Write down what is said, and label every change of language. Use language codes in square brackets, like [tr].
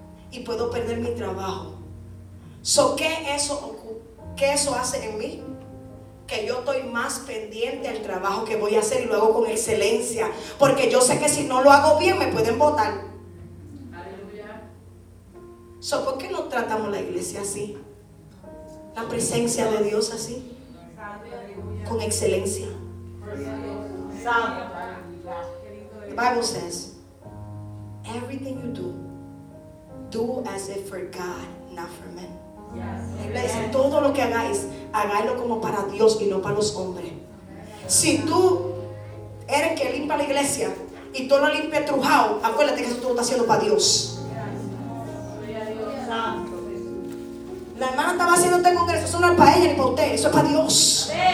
[es] Y puedo perder mi trabajo. So, ¿qué eso hace en mí? Que yo estoy más pendiente al trabajo que voy a hacer y lo hago con excelencia. Porque yo sé que si no lo hago bien, me pueden botar. Aleluya. So, ¿por qué no tratamos la iglesia así? La presencia de Dios así. Aleluya. Con excelencia. [en] The Bible says, everything you do, do as if for God, not for men. Yes. [es] Todo lo que hagáis, hagáislo como para Dios y no para los hombres. Si tú eres que limpia la iglesia y tú no limpia trujado, acuérdate que eso tú lo estás haciendo para Dios. La hermana estaba haciendo este congreso, eso no es para ella ni para usted, eso es para Dios.